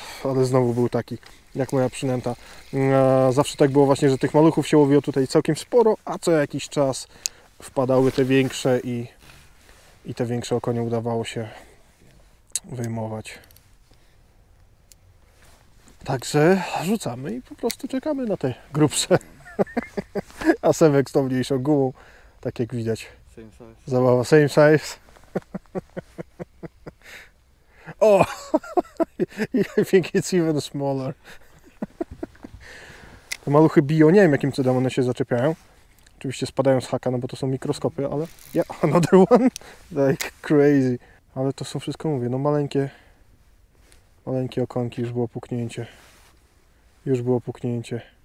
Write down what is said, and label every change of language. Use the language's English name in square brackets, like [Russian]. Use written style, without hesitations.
[Polish] Ale znowu był taki, jak moja przynęta. Zawsze tak było właśnie, że tych maluchów się łowiło tutaj całkiem sporo, a co jakiś czas wpadały te większe i te większe okonie udawało się wyjmować. Także rzucamy i po prostu czekamy na te grubsze. A Sebek z tą mniejszą gumą, tak jak widać. [English] Same size. [Polish] Zabawa, [English] same size. Oh, I think it's even smaller. [Polish] Te maluchy biją, nie wiem jakim cudem one się zaczepiają. Oczywiście spadają z haka, no bo to są mikroskopy, ale... [English] Yeah, another one. Like crazy. [Polish] Ale to są wszystko, mówię, no maleńkie... Maleńkie okonki, już było puknięcie. Już było puknięcie.